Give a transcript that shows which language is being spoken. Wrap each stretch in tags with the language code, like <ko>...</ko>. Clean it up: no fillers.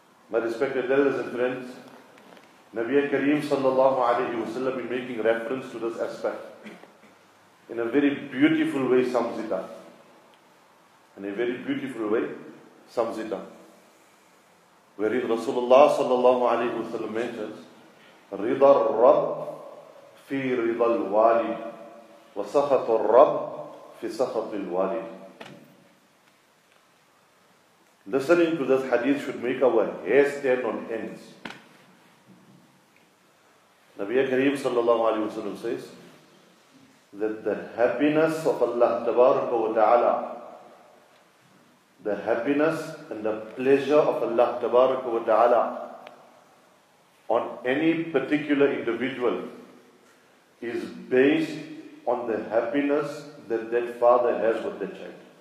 <en>My respected elders and friends, Nabi Kareem sallallahu alayhi wa sallam is making reference to this aspect in a very beautiful way, sums it up. In a very beautiful way, sums it up. Wherein Rasulullah sallallahu alayhi wa sallam mentions,</en> <ar>رِضَى الرَّبْ فِي رِضَى الْوَالِدِ وَسَخَطُ الرَّبْ فِي سَخَطِ الْوَالِدِ.</ar> <en>Listening to this hadith should make our hair stand on ends. Nabi Kareem sallallahu alayhi wa sallam says that the happiness of Allah tabaraka wa ta'ala, the happiness and the pleasure of Allah tabaraka wa ta'ala on any particular individual is based on the happiness that that father has with the child.</en>